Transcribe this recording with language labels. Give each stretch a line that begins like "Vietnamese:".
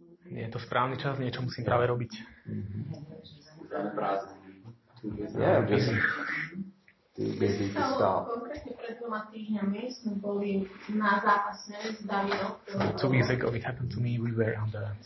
Slovak: Nie je to správny čas, niečo musím práve robiť.
English: Yeah, just too busy to stop.
Slovak: Konkrétne pred dvoma týždňami sme boli na zápase s Davidom.
English: Two weeks ago it happened to me, we were on the...